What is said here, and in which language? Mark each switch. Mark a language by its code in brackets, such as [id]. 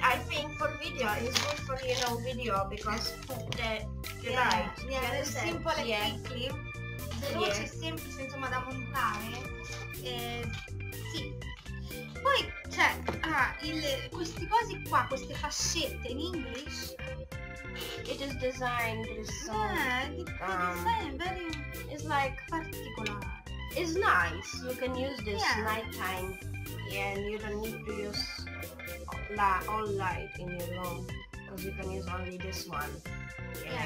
[en] I think for video, it's good for you know video because the light. Yeah. It's simple yeah. And quick. Veloce yeah. [it] E semplice insomma da montare sì poi cioè questi cosi qua queste fascette [en] in English It is designed this song. Yeah, design very. It's like particular. It's nice. You can use this nighttime. Yeah, and you don't need to use all light in your room because you can use only this one. Yeah, yeah.